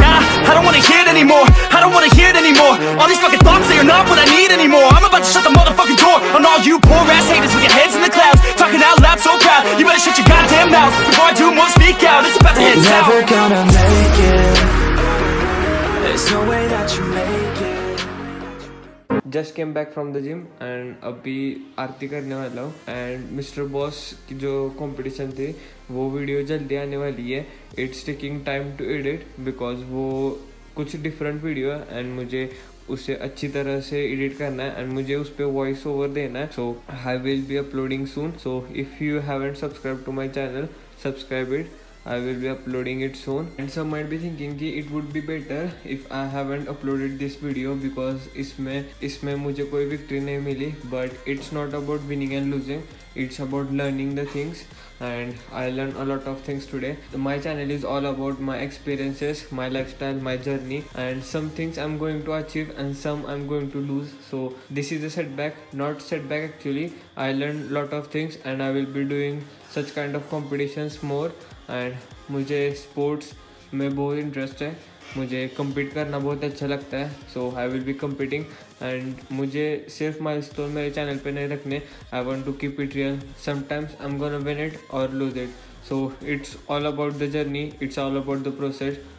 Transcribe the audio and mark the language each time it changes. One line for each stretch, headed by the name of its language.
English: Nah, I don't wanna hear it anymore. I don't wanna hear it anymore. All these fucking thoughts, they are not what I need anymore. I'm about to shut the motherfucking door on all you poor ass haters with your heads in the clouds, talking out loud so proud. You better shut your goddamn mouth before I do more, speak out. It's about to head south. Never gonna make it. There's no way that you make it. Just came back from the gym
Hindi: and अभी आरती करने वाला हूँ and mister boss की जो competition थी वो video जल्दी आने वाली है.
English: it's taking time to edit because
Hindi: वो कुछ डिफरेंट वीडियो है एंड मुझे उसे अच्छी तरह से एडिट करना है एंड मुझे उस पर वॉइस ओवर देना है.
English: So I will be uploading soon. So if you haven't subscribe to my channel subscribe it. I will be uploading it soon. And some might be thinking ki it would be better if I haven't uploaded this video because
Hindi: isme mujhe koi victory nahi mili.
English: But it's not about winning and losing. It's about learning the things. And I learned a lot of things today. My channel is all about my experiences, my lifestyle, my journey. And some things I'm going to achieve and some I'm going to lose. So this is a setback. Not setback actually. I learned a lot of things and I will be doing such kind of competitions more.
Hindi: And मुझे sports में बहुत interest है. मुझे compete करना बहुत अच्छा लगता है.
English: so I will be competing
Hindi: and मुझे सिर्फ माइलस्टोन मेरे चैनल पे नहीं रखने.
English: I want to keep it real. Sometimes I am gonna win it और lose it. So it's all about the journey. It's all about the process.